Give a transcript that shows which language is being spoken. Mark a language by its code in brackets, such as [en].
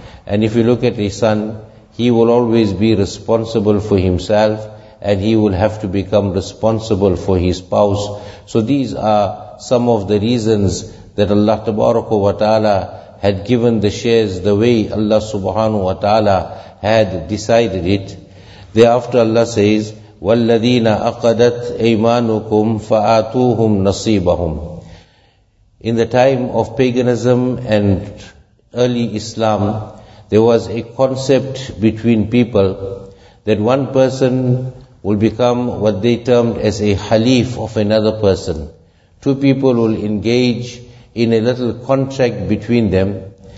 [en] And if you look at a son, he will always be responsible for himself, and he will have to become responsible for his spouse. So these are some of the reasons that Allah Tabaraka wa Ta'ala had given the shares the way Allah subhanahu wa ta'ala had decided it. Thereafter Allah says, [ar] وَالَّذِينَ أَقَدَتْ أَيْمَانُكُمْ فَآتُوهُمْ نَصِيبَهُمْ. [en] In the time of paganism and early Islam, there was a concept between people that one person will become what they termed as a halif of another person. Two people will engage in a little contract between them.